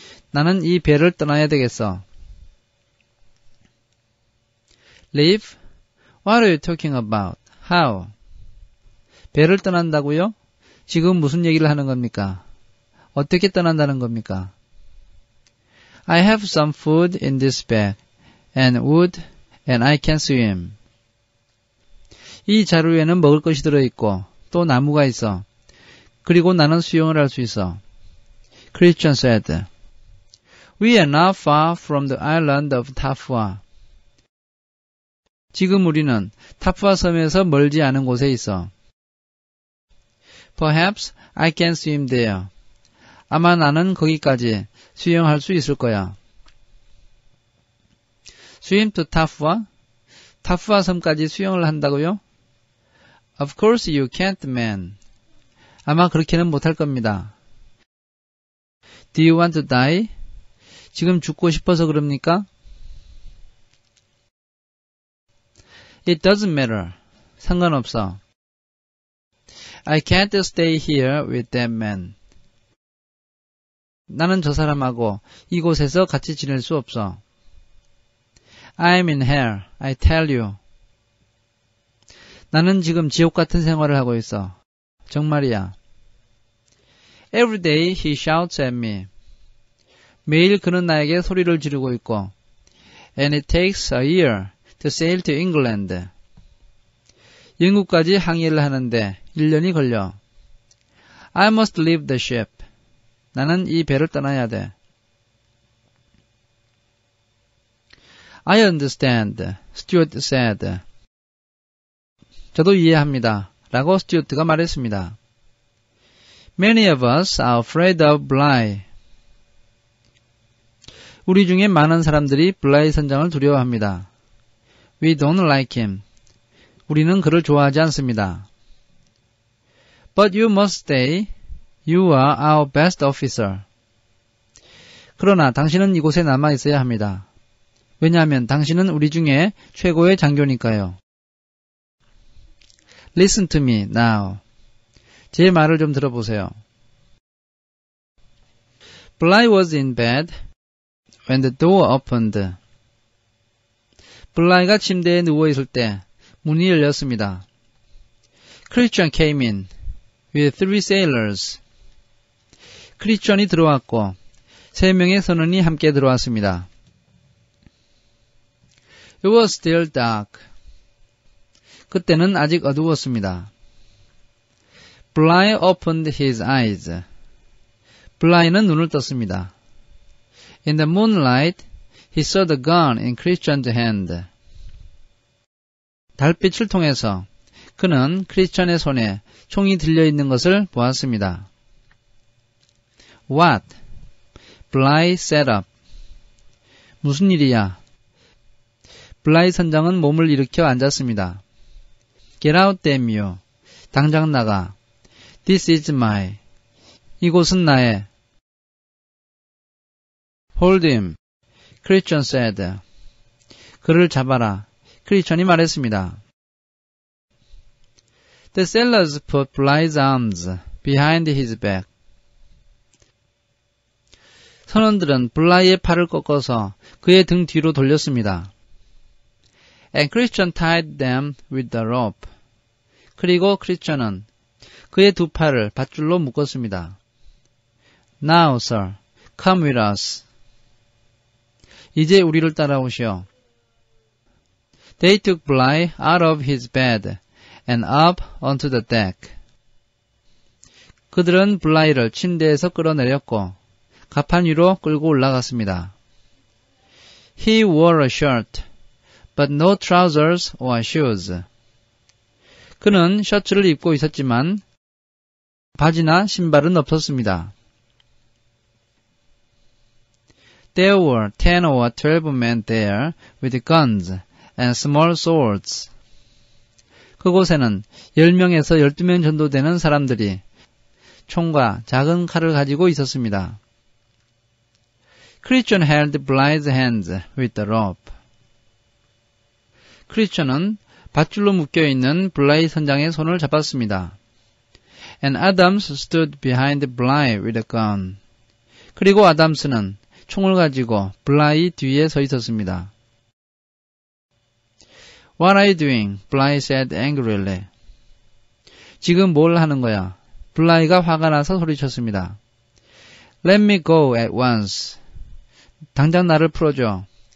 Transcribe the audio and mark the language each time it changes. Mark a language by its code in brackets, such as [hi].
[ko] 나는 이 배를 떠나야 되겠어. [en] Leave? What are you talking about? How? [ko] 배를 떠난다고요? 지금 무슨 얘기를 하는 겁니까? 어떻게 떠난다는 겁니까? [en] I have some food in this bag, and wood, and I can swim. [ko] 이 자루에는 먹을 것이 들어있고, 또 나무가 있어. 그리고 나는 수영을 할 수 있어. [en] Christian said, We are not far from the island of Tafua. [ko] 지금 우리는 타푸아 섬에서 멀지 않은 곳에 있어. [en] Perhaps I can swim there. [ko] 아마 나는 거기까지 수영할 수 있을 거야. [en] Swim to Tafua? [ko] 타푸아 섬까지 수영을 한다고요? [en] Of course you can't, man. [ko] 아마 그렇게는 못할 겁니다. [en] Do you want to die? [ko] 지금 죽고 싶어서 그럽니까? [en] It doesn't matter. [ko] 상관없어. [en] I can't stay here with that man. [ko] 나는 저 사람하고 이곳에서 같이 지낼 수 없어. [en] I'm in hell, I tell you. [ko] 나는 지금 지옥 같은 생활을 하고 있어. 정말이야. [en] Every day he shouts at me. [ko] 매일 그는 나에게 소리를 지르고 있고. [en] And it takes a year to sail to England. [ko] 영국까지 항해를 하는데 1년이 걸려. [en] I must leave the ship. [ko] 나는 이 배를 떠나야 돼. [en] I understand, Stuart said. [ko] 저도 이해합니다. 라고 스튜어트가 말했습니다. [en] Many of us are afraid of Bly. [ko] 우리 중에 많은 사람들이 블라이 선장을 두려워합니다. [en] We don't like him. [ko] 우리는 그를 좋아하지 않습니다. [en] But you must stay. You are our best officer. [ko] 그러나 당신은 이곳에 남아 있어야 합니다. 왜냐하면 당신은 우리 중에 최고의 장교니까요. [en] Listen to me now. [ko] 제 말을 좀 들어보세요. [en] Bly was in bed when the door opened. [ko] 블라이가 침대에 누워 있을 때 문이 열렸습니다. [en] Christian came in with three sailors. [ko] 크리스천이 들어왔고 세 명의 선원이 함께 들어왔습니다. [en] It was still dark. [ko] 그때는 아직 어두웠습니다. [en] Bly opened his eyes. [ko] 블라이는 눈을 떴습니다. [en] In the moonlight, he saw the gun in Christian's hand. [ko] 달빛을 통해서 그는 크리스천의 손에 총이 들려있는 것을 보았습니다. [en] What? Bly sat up. [ko] 무슨 일이야? 블라이 선장은 몸을 일으켜 앉았습니다. [en] Get out, damn you. [ko] 당장 나가. [en] This is my. [ko] 이곳은 나의. [en] Hold him, Christian said. [ko] 그를 잡아라. 크리스천이 말했습니다. [en] The sailors put Bly's arms behind his back. [ko] 선원들은 블라이의 팔을 꺾어서 그의 등 뒤로 돌렸습니다. [en] And Christian tied them with the rope. [ko] 그리고 크리스천은 그의 두 팔을 밧줄로 묶었습니다. [en] Now, sir, come with us. [ko] 이제 우리를 따라오시오. [en] They took Bly out of his bed and up onto the deck. [ko] 그들은 블라이를 침대에서 끌어내렸고 갑판 위로 끌고 올라갔습니다. [en] He wore a shirt, but no trousers or shoes. [ko] 그는 셔츠를 입고 있었지만 바지나 신발은 없었습니다. [en] There were 10 or 12 men there with guns and small swords. [ko] 그곳에는 10명에서 12명 정도 되는 사람들이 총과 작은 칼을 가지고 있었습니다. [en] Christian held Bly's hands with the rope. [ko] 크리스천은 밧줄로 묶여 있는 블라이 선장의 손을 잡았습니다. [en] And Adams stood behind Bly with a gun. [ko] 그리고 아담스는 총을 가지고 블라이 뒤에 서 있었습니다. [en] What are you doing? Bly said angrily. [ko] 지금 뭘 하는 거야? 블라이가 화가 나서 소리쳤습니다. [en] Let me go at once. [ko] 당장 나를 풀어줘.